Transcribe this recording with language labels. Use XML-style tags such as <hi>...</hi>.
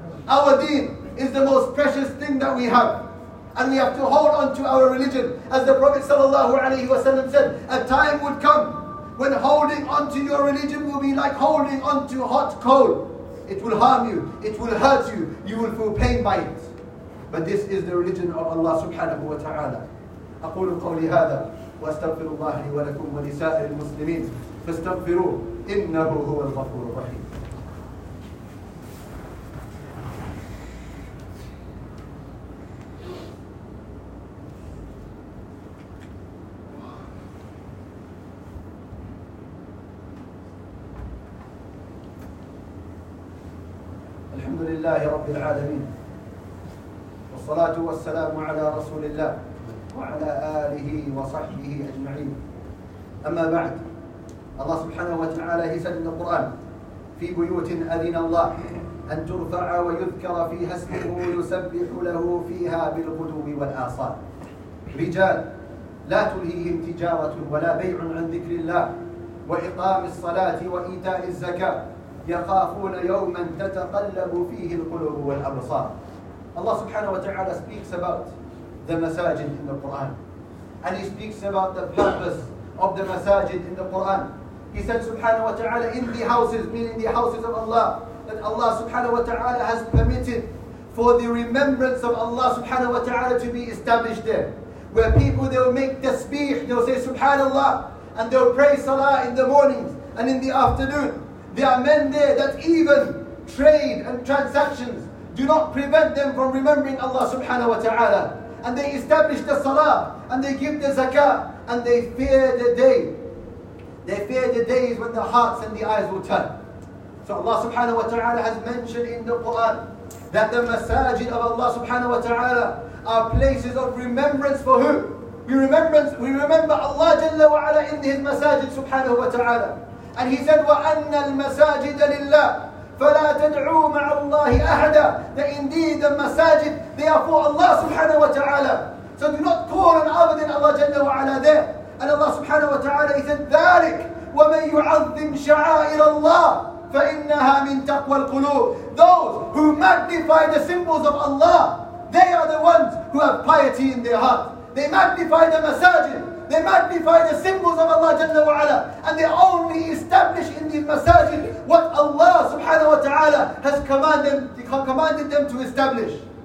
<en>Our deen is the most precious thing that we have, and we have to hold on to our religion. As the Prophet sallallahu alayhi wa sallam said, a time would come when holding on to your religion will be like holding on to hot coal. It will harm you, it will hurt you, you will feel pain by it. But this is the religion of Allah subhanahu wa ta'ala.</en> <ar>أقول قولي هذا واستغفر الله لي ولكم ولسائر المسلمين فاستغفروا إنه هو الغفور الرحيم. الحمد لله رب العالمين والصلاة والسلام على رسول الله وعلى آله وصحبه أجمعين. أما بعد, الله سبحانه وتعالى هيسن القرآن في بيوت أذن الله أن ترفع ويذكر فيها اسمه ويسبح له فيها بالغدو والآصال. رجال لا تلهيهم تجارة ولا بيع عن ذكر الله وإقام الصلاة وإيتاء الزكاة يخافون يوما تتقلب فيه القلوب والأبصار. الله سبحانه وتعالى</ar> <en>speaks about the masajid in the Quran, and he speaks about the purpose of the masajid in the Quran. He said subhanahu wa ta'ala, in the houses, meaning the houses of Allah, that Allah subhanahu wa ta'ala has permitted for the remembrance of Allah subhanahu wa ta'ala to be established there, where people, they will make tasbih, they will say subhanallah, and they will pray salah in the mornings and in the afternoon. There are men there that even trade and transactions do not prevent them from remembering Allah subhanahu wa ta'ala. And they establish the salah, and they give the zakah, and they fear the day. They fear the days when the hearts and the eyes will turn. So Allah subhanahu wa ta'ala has mentioned in the Quran that the masajid of Allah subhanahu wa ta'ala are places of remembrance for who? We remember Allah jalla wa ala in his masajid subhanahu wa ta'ala. And he said,</en> <ar>وَأَنَّ الْمَسَاجِدَ لِلَّهِ فَلَا تَدْعُوا مَعَ اللَّهِ أَحْدًا.</ar> <en>That indeed the masajid, they are for Allah subhanahu wa ta'ala. So do not call an other than Allah jalla wa ala there. And Allah subhanahu wa ta'ala, he said,</en> <ar>ذَلِكَ وَمَنْ يُعَظِّمْ شَعَائِرَ اللَّهِ فَإِنَّهَا مِنْ تَقْوَى الْقُلُوبِ.</ar> <en>Those who magnify the symbols of Allah, they are the ones who have piety in their heart. They magnify the masajid. They magnify the symbols of Allah Jalla wa Ala, and they only establish in the masajid what Allah subhanahu wa ta'ala has commanded them to establish.</en>